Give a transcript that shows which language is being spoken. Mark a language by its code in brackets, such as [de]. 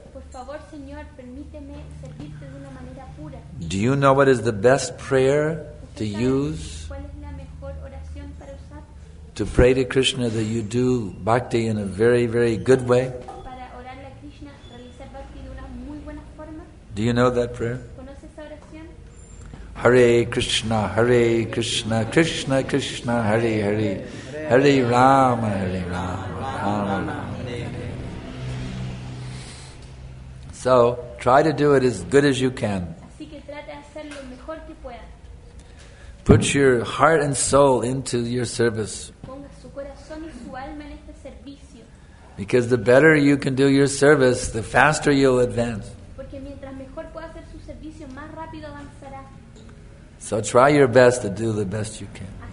[es] Por favor, Señor, permíteme servirte de una manera pura. [en] Do you know what is the best prayer to use? [es] ¿Cuál es la mejor oración para usar? [en] To pray to Krishna that you do bhakti in a very, very good way. [es] Para orarle a Krishna, realizar bhakti de una muy buena forma. [en] Do you know that prayer? [es] ¿Conoces esa oración? [sa] Hare Krishna, Krishna, Krishna, Hare Hare. Hare Rama, Hare Rama, Rama Rama. [en] So, try to do it as good as you can. [es] Así que trate de hacer lo mejor que pueda. [en] Put your heart and soul into your service. [es] Ponga su corazón y su alma en este servicio. [en] Because the better you can do your service, the faster you'll advance. [es] Porque mientras mejor pueda hacer su servicio, más rápido avanzará. [en] So try your best to do the best you can.